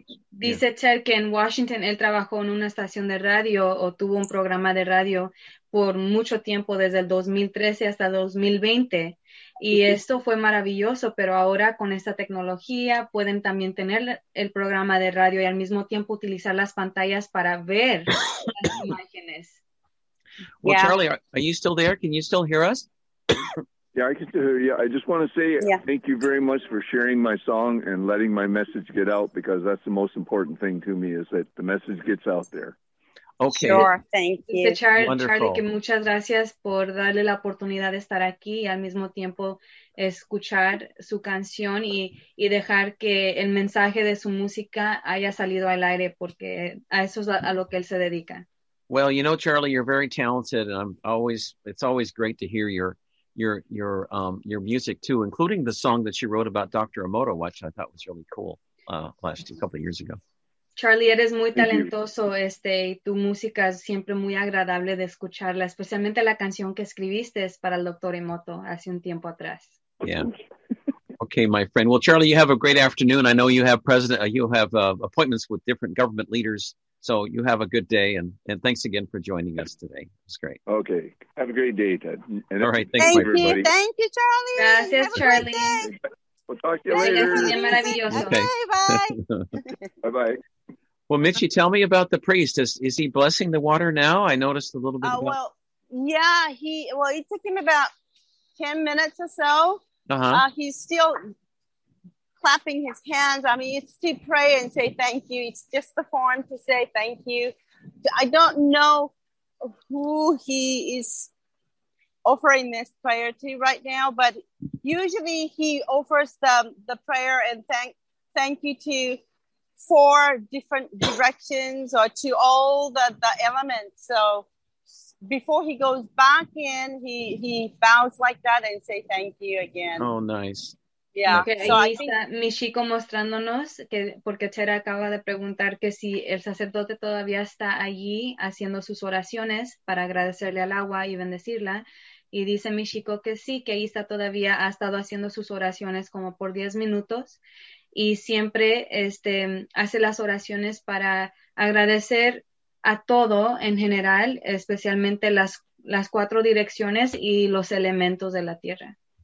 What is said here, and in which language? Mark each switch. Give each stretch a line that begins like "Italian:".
Spanish: Dice Ted que en Washington él trabajó en una estación de radio o tuvo un programa de radio por mucho tiempo, desde el 2013 hasta 2020. Y esto fue maravilloso, pero ahora con esta tecnología pueden también tener el programa de radio y al mismo tiempo utilizar las pantallas para ver las imágenes.
English: Well, yeah. Charlie, are you still there? Can you still hear us? Yeah, I can still hear you. I just want to say thank you very much for sharing my song and letting my message get out, because that's the most important thing to me, is that the message gets out there. Okay. Sure, thank you.
Spanish: Dice Charlie, que muchas gracias por darle la oportunidad de estar aquí y al mismo tiempo escuchar su canción y dejar que el mensaje de su música haya salido al aire, porque a eso es a lo que él se dedica.
English: Well, you know, Charlie, you're very talented, and it's always great to hear your music too, including the song that she wrote about Dr. Emoto, which I thought was really cool a couple of years ago.
Spanish: Charlie, eres muy talentoso, y tu música es siempre muy agradable de escucharla, especialmente la canción que escribiste para el Dr. Emoto hace un tiempo atrás.
English: Yeah. Okay, my friend. Well, Charlie, you have a great afternoon. I know you have appointments with different government leaders. So you have a good day, and thanks again for joining us today. It's great. Okay. Have a great day, Ted. And all right. Thanks, everybody. Thank you, Charlie.
Spanish: Gracias, Charlie.
English: We'll talk to you later.
Spanish: Gracias, bien maravilloso.
English: Okay. Bye-bye. Bye-bye. Well, Mitchie, tell me about the priest. Is he blessing the water now? I noticed a little bit. He took him about 10 minutes or so. Uh-huh. He's still clapping his hands. I mean, it's to pray and say thank you. It's just the form to say thank you. I don't know who he is offering this prayer to right now, but usually he offers the prayer and thank you to four different directions or to all the elements. So before he goes back in, he bows like that and say thank you again. Oh, nice. Yeah. Okay.
Spanish: So ahí está Michiko mostrándonos que, porque Chera acaba de preguntar que si el sacerdote todavía está allí haciendo sus oraciones para agradecerle al agua y bendecirla. Y dice Michiko que sí, que ahí está todavía, ha estado haciendo sus oraciones como por 10 minutos y siempre hace las oraciones para agradecer a todo en general, especialmente las cuatro direcciones y los elementos de la tierra.